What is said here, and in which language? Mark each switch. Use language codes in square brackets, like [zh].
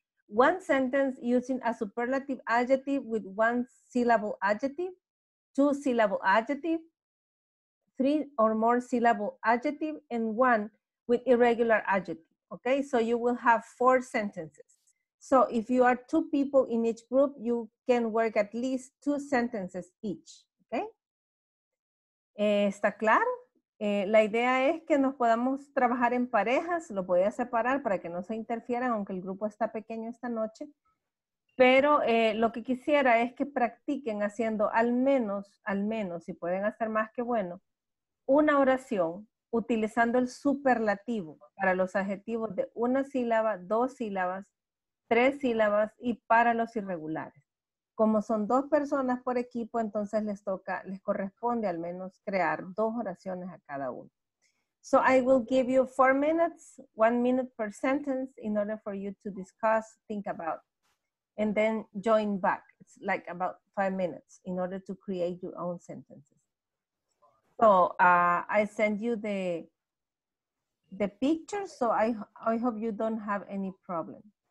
[en] One sentence using a superlative adjective with one syllable adjective, two syllable adjective, three or more syllable adjective, and one with irregular adjective. Okay, so you will have 4 sentences. So if you are 2 people in each group, you can work at least 2 sentences each. [es] Okay, ¿está claro? La idea es que nos podamos trabajar en parejas, lo voy a separar para que no se interfieran, aunque el grupo está pequeño esta noche. Pero lo que quisiera es que practiquen haciendo al menos, si pueden hacer más que bueno, una oración utilizando el superlativo para los adjetivos de una sílaba, 2 sílabas, 3 sílabas y para los irregulares. Como son 2 personas por equipo, entonces les corresponde al menos crear 2 oraciones a cada uno. [en] So I will give you 4 minutes, 1 minute per sentence, in order for you to discuss, think about, and then join back. It's like about 5 minutes in order to create your own sentences. So I send you the picture, so I hope you don't have any problem.